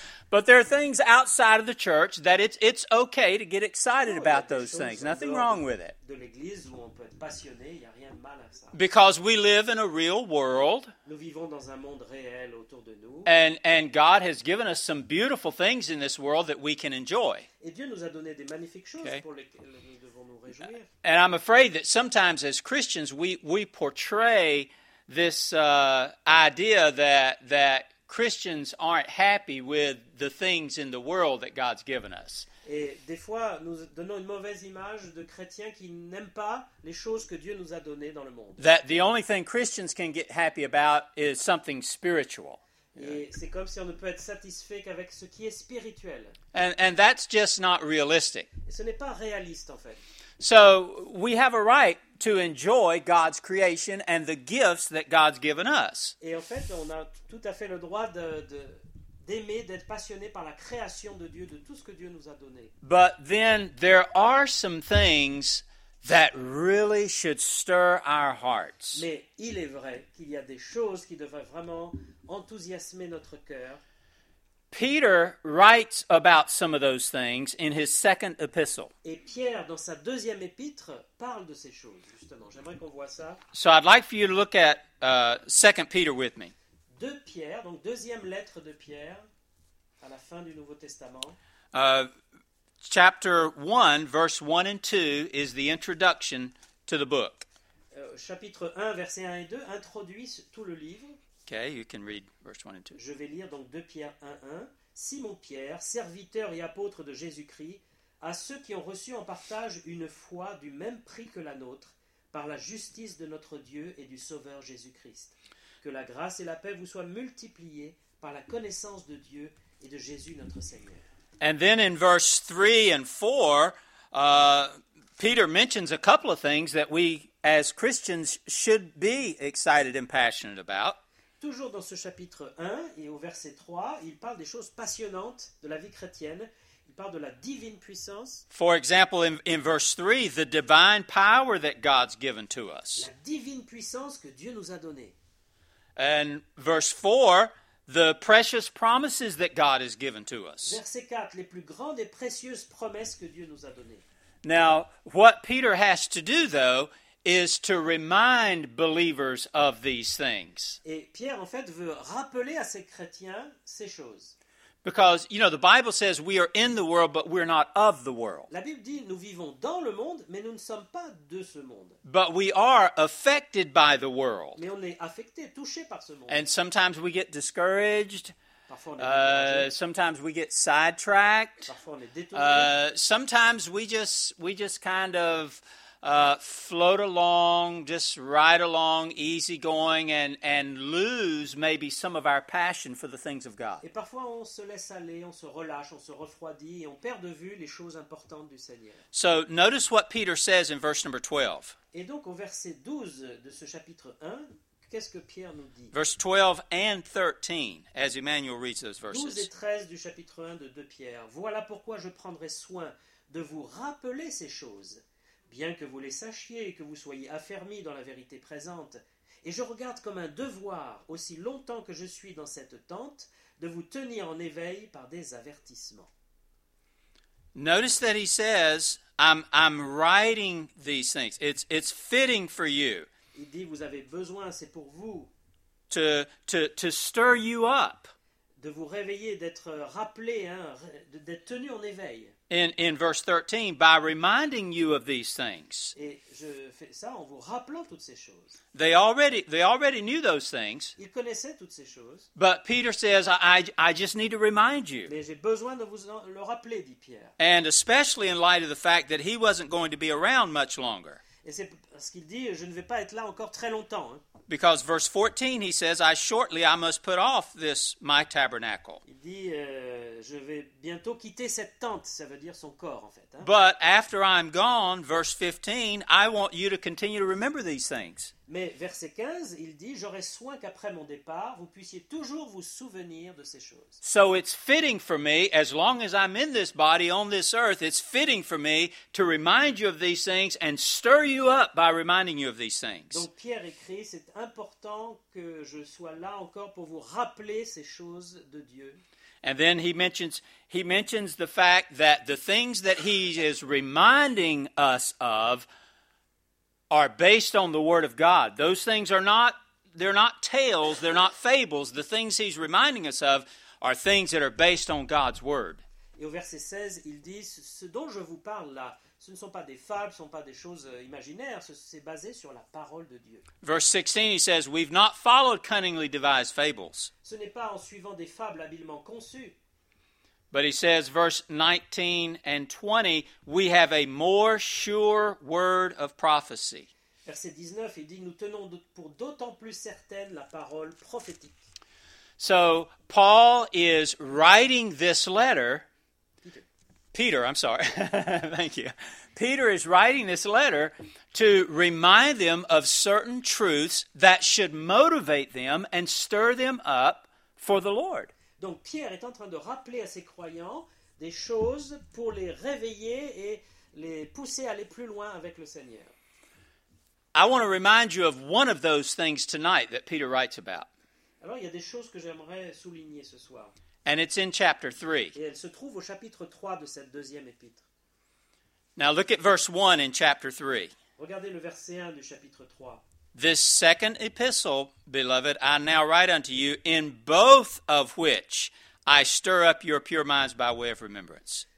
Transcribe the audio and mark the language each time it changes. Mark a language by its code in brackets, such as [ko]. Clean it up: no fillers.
[en] But there are things outside of the church that it's okay to get excited about those things. Nothing wrong with it. [fr] De l'église où on peut être passionné, il y a rien de mal à ça. [en] Because we live in a real world. [fr] Nous vivons dans un monde réel autour de nous. [en] And God has given us some beautiful things in this world that we can enjoy. [fr] Et Dieu nous a donné des magnifiques choses, okay, pour lesquelles nous devons nous réjouir. [en] And I'm afraid that sometimes as Christians we portray this idea that Christians aren't happy with the things in the world that God's given us. [fr] Et des fois, nous donnons une mauvaise image de chrétiens qui n'aiment pas les choses que Dieu nous a données dans le monde. [en] That the only thing Christians can get happy about is something spiritual. [fr] Et c'est comme si on ne peut être satisfait qu'avec ce qui est spirituel. [en] And that's just not realistic. [fr] Et ce n'est pas réaliste, en fait. [en] So, we have a right to enjoy God's creation and the gifts that God's given us. [fr] Et en fait, on a tout à fait le droit d'aimer, d'être passionné par la création de Dieu, de tout ce que Dieu nous a donné. [en] But then, there are some things that really should stir our hearts. [fr] Mais il est vrai qu'il y a des choses qui devraient vraiment enthousiasmer notre cœur. [en] Peter writes about some of those things in his second epistle. [fr] Et Pierre, dans sa deuxième épître, parle de ces choses, justement. J'aimerais qu'on voit ça. [en] So I'd like for you to look at 2 Peter with me. [fr] De Pierre, donc deuxième lettre de Pierre, à la fin du Nouveau Testament. [en] chapter 1, verse 1 and 2 is the introduction to the book. [fr] Chapitre 1, versets 1 et 2 introduisent tout le livre. [en] Okay, you can read verse 1 and 2. [fr] Je vais lire donc 2 Pierre 1:1. Simon Pierre, serviteur et apôtre de Jésus-Christ, à ceux qui ont reçu en partage une foi du même prix que la nôtre, par la justice de notre Dieu et du Sauveur Jésus-Christ. Que la grâce et la paix vous soient multipliées par la connaissance de Dieu et de Jésus notre Seigneur. [en] And then in verse 3 and 4, Peter mentions a couple of things that we as Christians should be excited and passionate about. [fr] Toujours dans ce chapitre 1 et au verset 3, il parle des choses passionnantes de la vie chrétienne. Il parle de la divine puissance. [en] For example, in verse 3, the divine power that God's given to us. [fr] La divine puissance que Dieu nous a donnée. [en] And verse 4, the precious promises that God has given to us. [fr] Verset 4, les plus grandes et précieuses promesses que Dieu nous a données. [en] Now, what Peter has to do, though, is to remind believers of these things. [fr] Et Pierre, en fait, veut rappeler à ses chrétiens ces choses. [en] Because, you know, the Bible says we are in the world, but we're not of the world. [fr] La Bible dit, nous vivons dans le monde, mais nous ne sommes pas de ce monde. [en] But we are affected by the world. [fr] Mais on est affecté, touché par ce monde. [en] And sometimes we get discouraged. [fr] Parfois on est découragé. [en] Sometimes we get sidetracked. [fr] Parfois on est détourné. [en] Sometimes we just kind of float along, just ride along, easy going, and lose maybe some of our passion for the things of God. [fr] Et parfois on se laisse aller, on se relâche, on se refroidit, et on perd de vue les choses importantes du Seigneur. [en] So notice what Peter says in verse number 12. [fr] Et donc au verset 12 de ce chapitre 1, qu'est-ce que Pierre nous dit? [en] Verse 12 and 13, as Emmanuel reads those verses. [fr] 12 et 13 du chapitre 1 de 2 Pierre. Voilà pourquoi je prendrai soin de vous rappeler ces choses. Bien que vous les sachiez et que vous soyez affermis dans la vérité présente, et je regarde comme un devoir, aussi longtemps que je suis dans cette tente, de vous tenir en éveil par des avertissements. [en] Notice that he says, I'm writing these things. It's fitting for you. [fr] Il dit, vous avez besoin, c'est pour vous. [en] To stir you up. [fr] De vous réveiller, d'être rappelé, hein, d'être tenu en éveil. [en] In verse 13, by reminding you of these things. [fr] Et je fais ça en vous rappelant toutes ces choses. [en] They already knew those things. [fr] Ils connaissaient toutes ces choses. [en] But Peter says, I just need to remind you. [fr] Mais j'ai besoin de vous le rappeler, dit Pierre. [en] And especially in light of the fact that he wasn't going to be around much longer. [fr] Et c'est parce qu'il dit, je ne vais pas être là encore très longtemps. Hein. [en] Because verse 14, he says, I shortly must put off this, my tabernacle. [fr] Il dit, je vais bientôt quitter cette tente, ça veut dire son corps, en fait. Hein. [en] But after I'm gone, verse 15, I want you to continue to remember these things. [fr] Mais verset 15, il dit, j'aurai soin qu'après mon départ, vous puissiez toujours vous souvenir de ces choses. [en] So it's fitting for me, as long as I'm in this body, on this earth, it's fitting for me to remind you of these things and stir you up by reminding you of these things. [fr] Donc Pierre écrit, c'est important que je sois là encore pour vous rappeler ces choses de Dieu. [en] And then he mentions the fact that the things that he is reminding us of are based on the Word of God. Those things are not, they're not tales, they're not fables. The things he's reminding us of are things that are based on God's Word. [fr] Et au verset 16, il dit, ce dont je vous parle là, ce ne sont pas des fables, ce ne sont pas des choses imaginaires, c'est basé sur la parole de Dieu. [en] Verse 16, he says, we've not followed cunningly devised fables. [fr] Ce n'est pas en suivant des fables habilement conçues. [en] But he says, verse 19 and 20, we have a more sure word of prophecy. [fr] Verset 19, il dit, nous tenons pour d'autant plus certaine la parole prophétique. [en] So, Paul is writing this letter. Peter, I'm sorry. Thank you. Peter is writing this letter to remind them of certain truths that should motivate them and stir them up for the Lord. [fr] Donc, Pierre est en train de rappeler à ses croyants des choses pour les réveiller et les pousser à aller plus loin avec le Seigneur. [en] I want to remind you of one of those things tonight that Peter writes about. [fr] Alors, il y a des choses que j'aimerais souligner ce soir. [en] And it's in chapter 3. [fr] Et elle se trouve au chapitre 3 de cette deuxième épître. [en] Now, look at verse 1 in chapter 3. [fr] Regardez le verset 1 du chapitre 3. [en] This second epistle, beloved, I now write unto you, in both of which I stir up your pure minds by way of remembrance.